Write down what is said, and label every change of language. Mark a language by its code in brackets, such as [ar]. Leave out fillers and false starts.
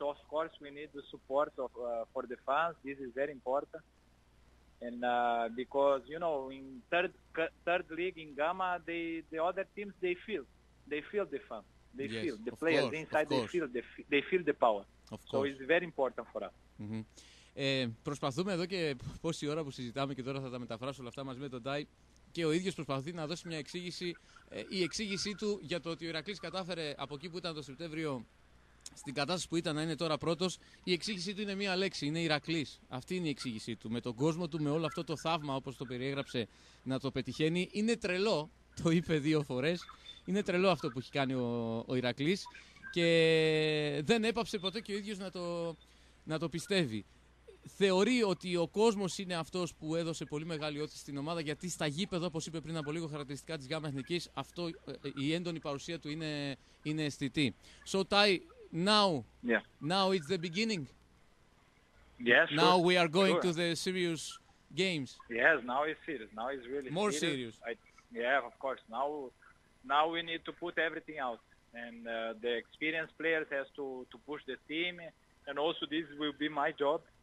[en] Of course, we need the support of for the fans. This is very important, and because you know, in third league in Gama, the other teams they feel the fans. They yes, feel the players course, inside. They feel the power. Of course, so it's very important for us. Mm-hmm. [el] Προσπαθούμε εδώ και πόση ώρα που συζητάμε και τώρα θα τα μεταφράσω όλα αυτά μαζί με τον Τάι και ο ίδιος προσπαθεί να δώσει μια εξήγηση, η εξήγησή του για το ότι ο Ηρακλής κατάφερε από εκεί που ήταν το Σεπτέμβριο στην κατάσταση που ήταν να είναι τώρα πρώτος. Η εξήγησή του είναι μία λέξη, είναι Ηρακλής. Αυτή είναι η εξήγησή του. Με τον κόσμο του, με όλο αυτό το θαύμα όπως το περιέγραψε να το πετυχαίνει. Είναι τρελό, το είπε δύο φορές. Είναι τρελό αυτό που έχει κάνει ο Ηρακλής και δεν έπαψε ποτέ και ο ίδιος να το πιστεύει. Θεωρεί ότι ο κόσμος είναι αυτός που έδωσε πολύ μεγάλη όθηση στην ομάδα, γιατί στα γήπεδα, όπως είπε πριν από λίγο, χαρακτηριστικά της ΓΑΜΑ Εθνικής, αυτό η έντονη παρουσία του είναι αισθητή. [en] So, Ty, now it's the beginning. Yes. Sure. Now we are going to the serious games. Yes, now it's serious. Now it's really more serious. Yeah, of course. Now we need to put everything out, and the experienced players has to push the team, and also this will be my job.